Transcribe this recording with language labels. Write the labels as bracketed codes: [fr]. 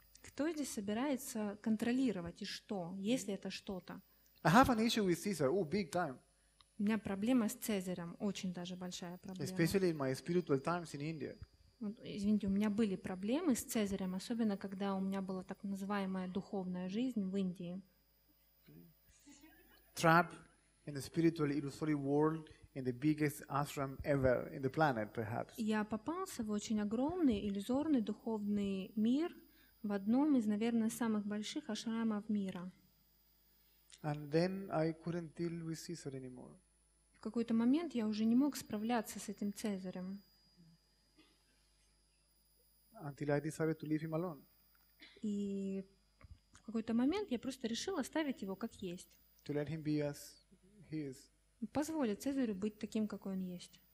[ru] Кто здесь собирается контролировать и что, если это что-то? [en] I have an issue with Caesar. Oh, big time. [ru] У меня проблема с Цезарем, очень даже большая проблема. [en] Especially in my spiritual times in India. [ru] Извините, у меня были проблемы с Цезарем, особенно когда у меня была так называемая духовная жизнь в Индии. [en] Trapped in the spiritual illusory world in the biggest ashram ever in the planet, perhaps. [ru] Я попался в очень огромный иллюзорный духовный мир в одном из, наверное, самых больших ашрамов мира. [en] And then I couldn't deal with Caesar anymore. [ru] В какой-то момент я уже не мог справляться с этим Цезарем. [en] Until I decided to leave him alone. [ru] И в какой-то момент я просто решил оставить его как есть. [en] To let him be as he is. [ru] Позволить Цезарю быть таким, какой он есть.